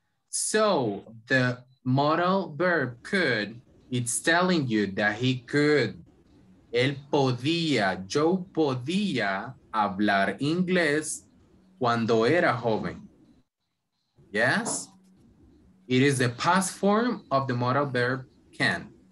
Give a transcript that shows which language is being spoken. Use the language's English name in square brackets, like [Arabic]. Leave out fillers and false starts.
[English] So the modal verb could, it's telling you that he could. [Spanish] Él podía, Joe podía hablar inglés cuando era joven. [English] Yes? It is the past form of the modal verb can.